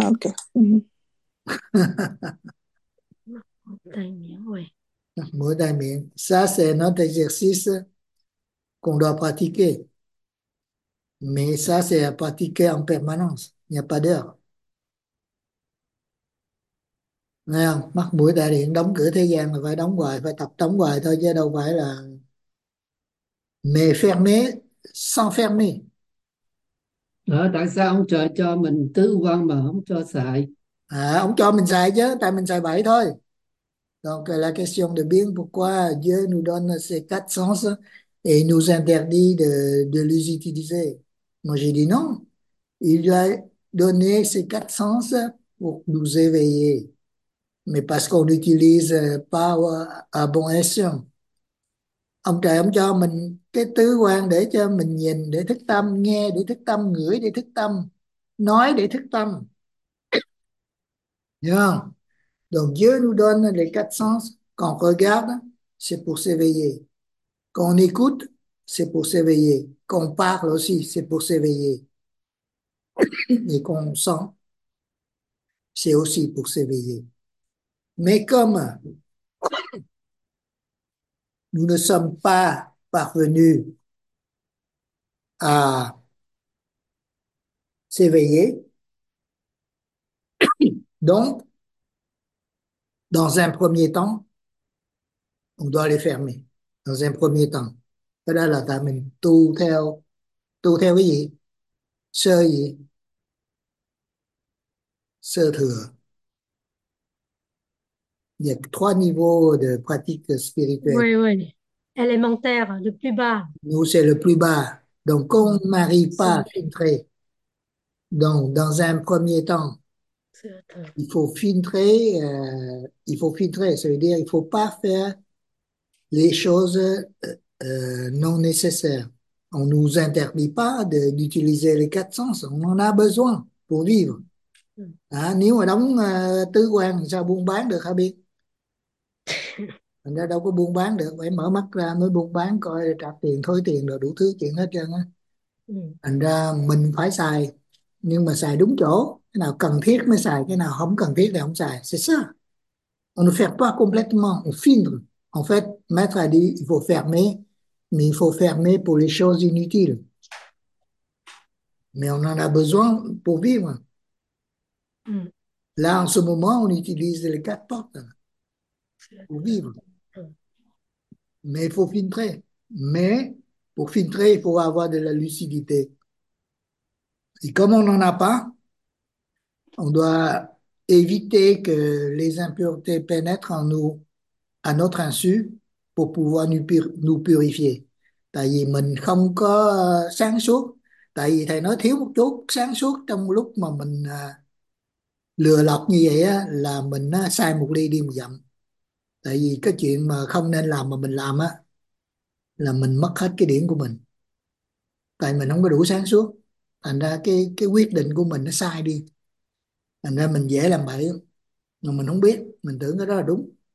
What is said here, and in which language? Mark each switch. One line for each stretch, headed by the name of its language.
French: quoi.
English: okay.
French: Mot d'amis. Ça, c'est un autre exercice qu'on doit pratiquer. Mais ça, c'est à pratiquer en permanence. Il n'y a pas d'heure.
Vietnamese: Nè, mắc mũi tại điện đóng cửa thế gian là phải đóng hoài, phải tập đóng hoài thôi, chứ đâu phải là
French: mais fermé sans fermer.
Vietnamese: Đó, tại sao ông trời cho mình tứ quan mà không cho xài? À, ông cho mình xài chứ, tại mình xài bậy thôi.
French: Donc la question de bien, pourquoi Dieu nous donne ces quatre sens et nous interdit de les utiliser? Moi, j'ai dit non. Il lui a donné ces quatre sens pour nous éveiller. Mais parce qu'on n'utilise pas à bon escient.
Vietnamese: Ông trời ông cho mình cái tứ quan để cho mình nhìn, để thức tâm, nghe để thức tâm, ngửi để thức tâm, nói để thức tâm.
English: Yeah.
French: Donc Dieu nous donne les quatre sens. Quand on regarde, c'est pour s'éveiller. Quand on écoute, c'est pour s'éveiller. Quand on parle aussi, c'est pour s'éveiller. Et quand on sent, c'est aussi pour s'éveiller. Mais comme nous ne sommes pas parvenus à s'éveiller, donc, dans un premier temps, on doit les fermer. Dans un premier temps.
Vietnamese: Cái đó là ta mình tu theo cái gì? Sơ gì? Sơ thừa.
French: Il y a trois niveaux de pratique spirituelle. Oui. Élémentaire, le plus bas. Nous, c'est le plus bas. Donc, qu'on n'arrive pas à filtrer. Donc, dans un premier temps, il faut filtrer. Ça veut dire qu'il ne faut pas faire les choses non nécessaires. On ne nous interdit pas d'utiliser les quatre sens. On en a besoin pour vivre. Hein?
Vietnamese: Nếu mà đóng tứ quan, sao buôn bán được hả biết? Mình ra đâu có buôn bán được, phải mở mắt ra mới buôn bán, coi trả tiền thối tiền rồi đủ thứ chuyện hết trơn á. Thành ra mình phải xài, nhưng mà xài đúng chỗ, cái nào cần thiết mới xài, cái nào không cần thiết thì không xài.
French: C'est ça. On ne fait pas complètement, on filtre. En fait, maître a dit, il faut fermer, mais il faut fermer pour les choses inutiles. Mais on en a besoin pour vivre. Là, en ce moment, on utilise les quatre portes pour vivre. Mais il faut filtrer. Mais pour filtrer, il faut avoir de la lucidité. Et comme on n'en a pas, on doit éviter que les impuretés pénètrent en nous, à notre insu, pour pouvoir nous purifier.
Vietnamese: Tại vì mình không có sáng suốt. Tại vì thầy nói thiếu một chút sáng suốt trong lúc mà mình lừa lọc như vậy á, là mình sai một ly đi một dặm. Tại vì cái chuyện mà không nên làm mà mình làm á, là mình mất hết cái điểm của mình, tại mình không có đủ sáng suốt, thành ra cái quyết định của mình nó sai đi, thành ra mình dễ làm bậy mà mình không biết, mình tưởng cái đó là đúng.